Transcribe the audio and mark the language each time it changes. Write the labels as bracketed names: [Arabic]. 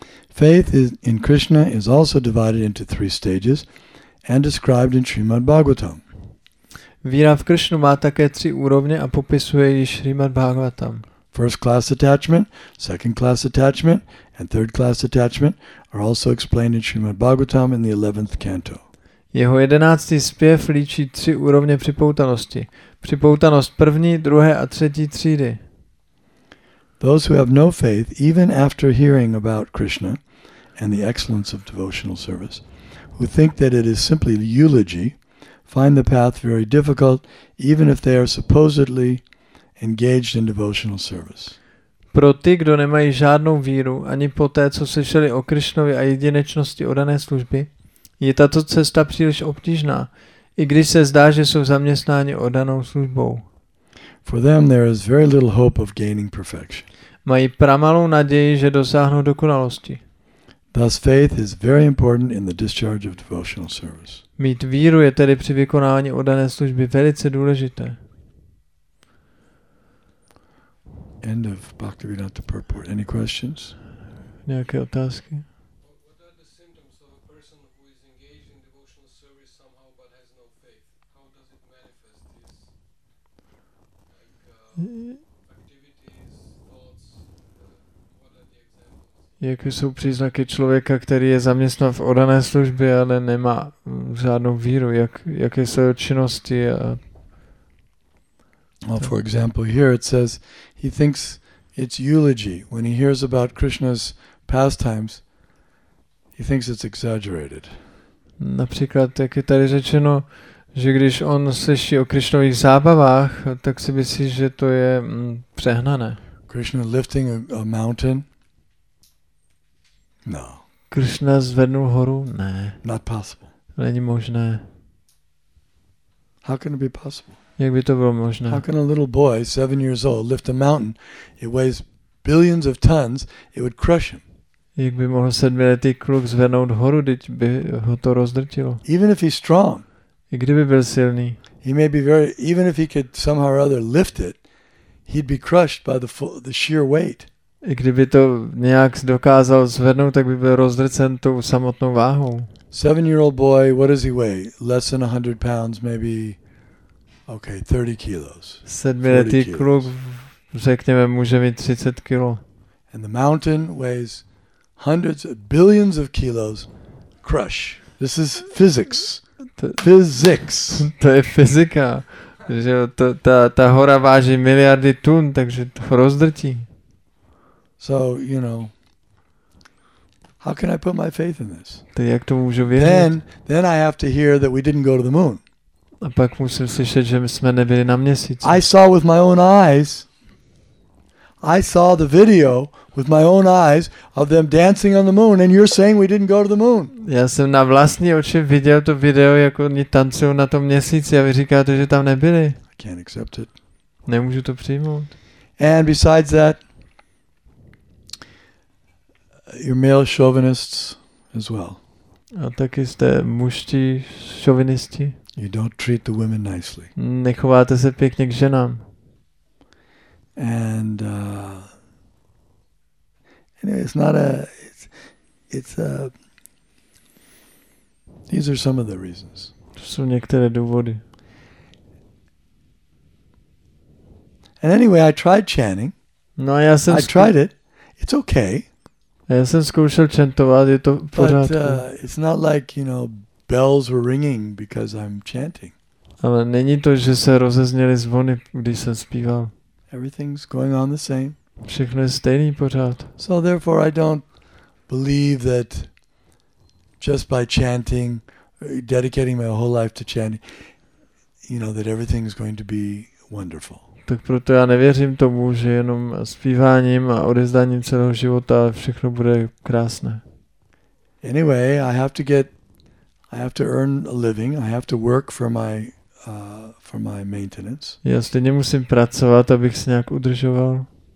[English] Faith in Krishna is also divided into 3 stages and described in Srimad Bhagavatam. [Czech] Víra v Krišnu má také 3 úrovně a popisuje ji Srimad Bhagavatam. [English] First class attachment, second class attachment and third class attachment are also explained in Srimad Bhagavatam in the 11th canto. [Czech] Jeho 11. zpěv líčí 3 úrovně připoutanosti. Připoutanost první, druhé a třetí třídy. [English] Those who have no faith, even after hearing about Krishna and the excellence of devotional service, who think that it is simply eulogy, find the path very difficult, even if they are supposedly engaged in devotional service. [Czech] Pro ty, kdo nemají žádnou víru, ani po té, co slyšeli o Krišnovi a jedinečnosti oddané služby, je tato cesta příliš obtížná, i když se zdá, že jsou zaměstnáni oddanou službou. [English] For them there is very little hope of gaining perfection. [Czech] Mají pramalou naději, že dosáhnou dokonalosti. [English] Thus faith is very important in the discharge of devotional service. [Czech] Mít víru je tedy při vykonání oddané služby velice důležité. [English] End of Bhaktivedanta purport. Any questions? [Czech] Nějaké otázky? Jaké jsou příznaky člověka, který je zaměstnán v oddané službě, ale nemá žádnou víru? Jaké jsou činnosti? [English] Well, for example, here it says he thinks it's eulogy. When he hears about Krishna's pastimes, he thinks it's exaggerated. [Czech] Například, jak je tady řečeno, že když on slyší o Krishnových zábavách, tak si myslí, že to je přehnané. [English] Krishna lifting a mountain? No. [Czech] Krishna zvednul horu? Ne. [English] Not possible. [Czech] Není možné. [English] How can it be possible? [Czech] Jak by to bylo možné? [English] How can a little boy, 7 years old, lift a mountain? It weighs billions of tons. It would crush him. [Czech] Jak by mohl 7letý kluk zvednout horu, když by ho to rozdrtilo? [English] Even if he's strong. [Czech] I kdyby byl silný. [English] He may be very, even if he could somehow or other lift it, he'd be crushed by the sheer weight. [Czech] I kdyby to nějak dokázal zvednout, tak by byl rozdrcen tou samotnou váhou. [English] 7-year-old boy, what does he weigh? Less than 100 pounds, maybe. Okay, 30 kilos. [Czech] 7letý kluk, řekněme, může mít 30 kilo. [English] And the mountain weighs hundreds of billions of kilos. Crush. This is physics. Physics. [Czech] To je fyzika. Že ta hora váží miliardy tun, takže to rozdrtí. [English] So, you know, how can I put my faith in this? [Czech] To jak to můžu věřit? [English] Then I have to hear that we didn't go to the moon. [Czech] A pak musím slyšet, že my jsme nebyli na měsíci. [English] I saw with my own eyes. I saw the video with my own eyes of them dancing on the moon, and you're saying we didn't go to the moon. [Czech] Já jsem na vlastní oči viděl to video, jak oni tancují na tom měsíci, a vy říkáte, že tam nebyli. [English] I can't accept it. [Czech] Nemůžu to přijmout. [English] And besides that, you're male chauvinists as well. [Czech] A taky jste mužští šovinisti. [English] You don't treat the women nicely. [Czech] Nechováte se pěkně k ženám. [English] And anyway, it's not a. It's a. These are some of the reasons. [Czech] To jsou některé důvody. [English] And anyway, I tried chanting. [Czech] No, já jsem. [English] I tried it. It's okay. [Czech] Já jsem zkoušel chantovat. Je to pořádku. [English] But it's not like, you know. Bells were ringing because I'm chanting. [Czech] Ale není to, že se rozezněly zvony, když jsem zpíval. [English] Everything's going on the same. [Czech] Všechno je stejný pořád. [English] So therefore I don't believe that just by chanting, dedicating my whole life to chanting, you know, that everything's going to be wonderful. [Czech] Tak proto já nevěřím tomu, že jenom zpíváním a odezdáním celého života všechno bude krásné. [English] Anyway, I have to earn a living. I have to work for my maintenance. [Czech] Já stejně musím pracovat, abych se nějak udržoval.